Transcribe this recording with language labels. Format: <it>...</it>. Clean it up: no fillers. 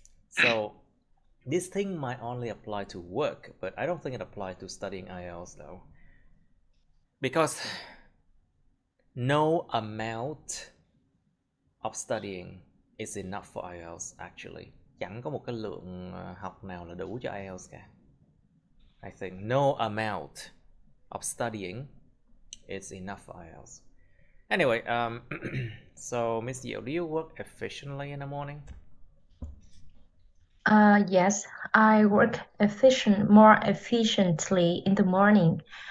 <en>So this thing might only apply to work, but I don't think it applies to studying IELTS though. Because no amount of studying is enough for IELTS actually.</en> <vi>Chẳng có một cái lượng học nào là đủ cho IELTS cả.</vi> <en>I think no amount of studying is enough for IELTS. Anyway, so Miss Yeo, do you work efficiently in the morning? Yes, I work more efficiently in the morning.</en>